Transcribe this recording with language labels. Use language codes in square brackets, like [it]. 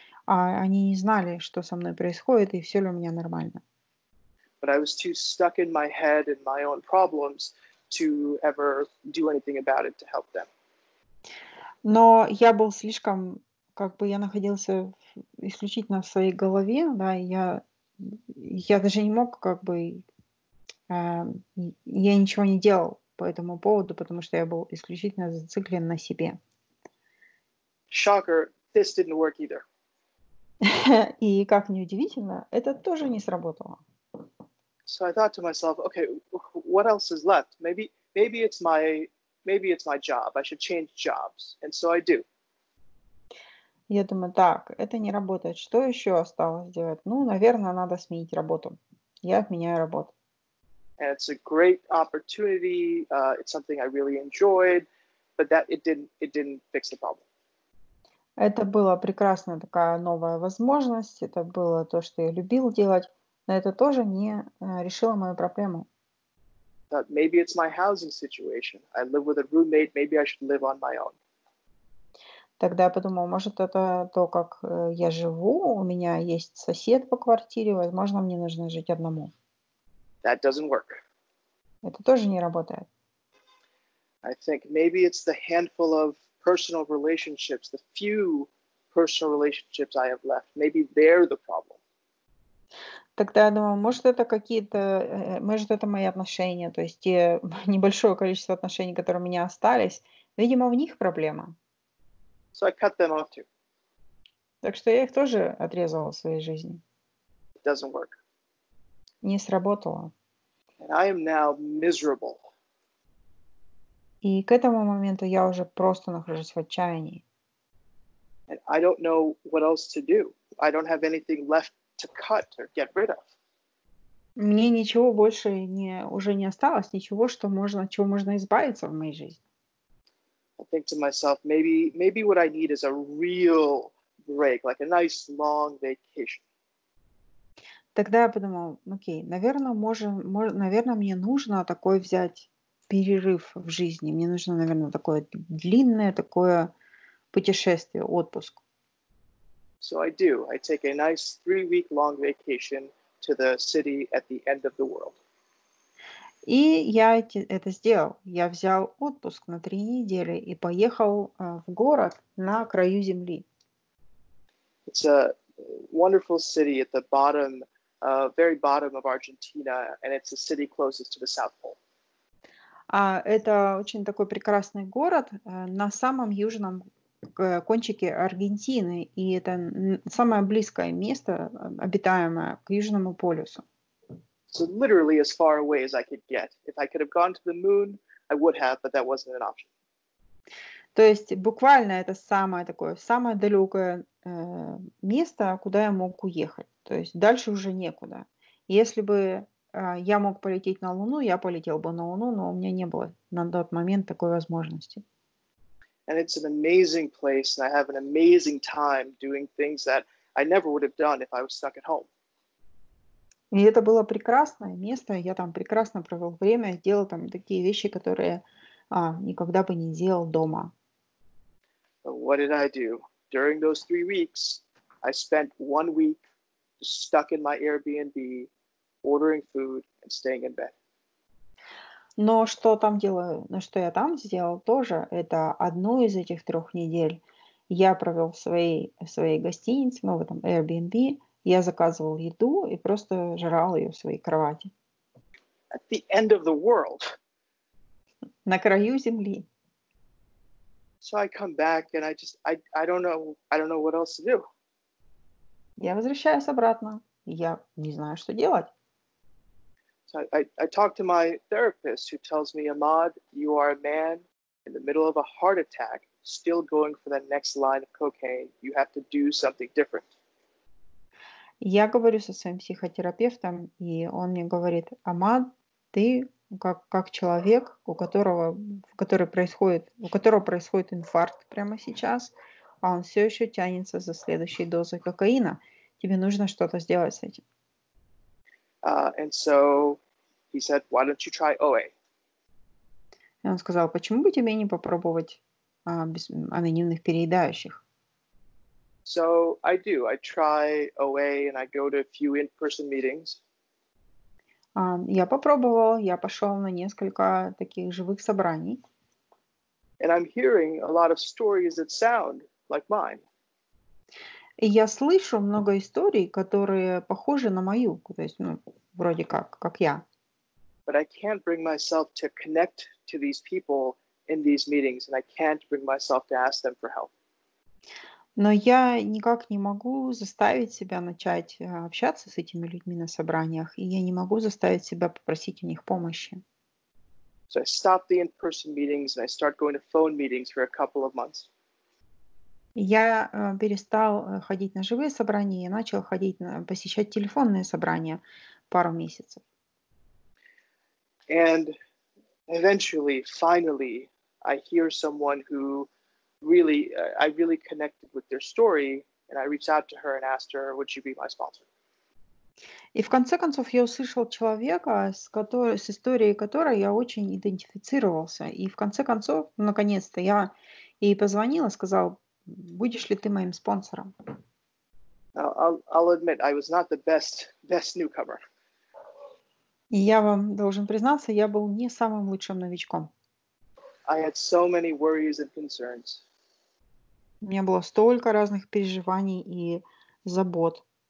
[ru] Они не знали, что со мной происходит и все ли у меня нормально. [en] But I was too stuck in my head and my own problems to ever do anything about it to help them. [ru] Но я был слишком, я находился исключительно в своей голове, да, я даже не мог, я ничего не делал по этому поводу, потому что я был исключительно зациклен на себе. [en] Shocker, this didn't work either. [ru] И как ни удивительно, это тоже не сработало. [en] So I thought to myself, okay, what else is left? Maybe it's my job. I should change jobs. And so I do. [ru] Я думаю, так, это не работает. Что еще осталось делать? Ну, наверное, надо сменить работу. Я отменяю работу. [en] And it's a great opportunity. It's something I really enjoyed, but that it didn't fix the problem. [ru] Это была прекрасная такая новая возможность. Это было то, что я любил делать. Но это тоже не решило мою проблему. [en] But maybe it's my housing situation. I live with a roommate. Maybe I should live on my own. [ru] Тогда я подумал, может, это то, как я живу. У меня есть сосед по квартире. Возможно, мне нужно жить одному. [en] That doesn't work. [ru] Это тоже не работает. [en] I think maybe it's the handful of personal relationships, the few personal relationships I have left. Maybe they're the problem. [ru] Тогда я думаю, может, это мои отношения, то есть те небольшое количество отношений, которые у меня остались. Видимо, в них проблема. [en] So I cut them off too. [ru] Так что я их тоже отрезала в своей жизни. [en] It doesn't work. [ru] Не сработало. [en] And I am now miserable. [ru] И к этому моменту я уже просто нахожусь в отчаянии. [en] And I don't know what else to do. I don't have anything left to cut or get rid of. [ru] Мне ничего больше уже не осталось, ничего, чего можно избавиться в моей жизни. [en] I think to myself, maybe what I need is a real break, like a nice long vacation. [ru] Тогда я подумал, окей, наверное, мне нужно такой взять перерыв в жизни. Мне нужно, наверное, такое длинное такое путешествие, отпуск. [en] So I do. I take a nice 3-week long vacation to the city at the end of the world. [ru] И я это сделал. Я взял отпуск на 3 недели и поехал в город на краю земли. [en] It's a wonderful city at the bottom, very bottom of Argentina, and it's the city closest to the South Pole. [ru] Это очень такой прекрасный город на самом южном кончике Аргентины, и это самое близкое место, обитаемое, к Южному полюсу. [en] So literally as far away as I could get. If I could have gone to the moon, I would have, but that wasn't an option. [ru] То есть буквально это самое далекое место, куда я мог уехать. То есть дальше уже некуда. Если бы я мог полететь на Луну, я полетел бы на Луну, но у меня не было на тот момент такой возможности. [en] And it's an amazing place, and I have an amazing time doing things that I never would have done if I was stuck at home. [ru] И это было прекрасное место, я там прекрасно провел время, делал там такие вещи, которые никогда бы не делал дома. [en] But what did I do? During those 3 weeks, I spent 1 week stuck in my Airbnb, ordering food and staying in bed. [ru] Но что там делаю, ну, что я там сделал тоже, это одну из этих трех недель я провел в своей гостинице, ну, в этом Airbnb, я заказывал еду и просто жрал ее в своей кровати. [en] At the end of the world. [ru] На краю земли. [en] So I come back and I don't know what else to do. [ru] Я возвращаюсь обратно, я не знаю, что делать. [en] So I talk to my therapist who tells me, Ahmad, you are a man in the middle of a heart attack, still going for the next line of cocaine. You have to do something different. [ru] Я говорю со своим психотерапевтом, и он мне говорит, Ахмад, ты как человек, у которого происходит инфаркт прямо сейчас, а он все еще тянется за следующей дозой кокаина. Тебе нужно что-то сделать с этим. [en] And so he said, why don't you try OA? [ru] И он сказал, почему бы тебе не попробовать без анонимных переедающих? [en] So I do. I try OA and I go to a few in-person meetings. [ru] Я попробовал, я пошел на несколько таких живых собраний. [en] And I'm hearing a lot of stories that sound like mine. [ru] И я слышу много историй, которые похожи на мою, то есть, ну, вроде как я. [en] But I can't bring myself to connect to these people in these meetings, and I can't bring myself to ask them for help. [ru] Но я никак не могу заставить себя начать общаться с этими людьми на собраниях, и я не могу заставить себя попросить у них помощи. [en] So I stop the in-person meetings, and I start going to phone meetings for a couple of months. [ru] Я перестал ходить на живые собрания и начал посещать телефонные собрания пару месяцев. [en] And eventually, finally, I hear someone who really, I really connected with their story, and I reached out to her and asked her, would she be my sponsor? [ru] И в конце концов я услышал человека, с историей которой я очень идентифицировался. И в конце концов, наконец-то, я ей позвонила, сказал, будешь ли ты моим спонсором? [en] I'll admit, I was not the best newcomer. [ru] И я вам должен признаться, я был не самым лучшим новичком. [en] I had so many worries and concerns. [ru] У меня было столько разных переживаний и забот.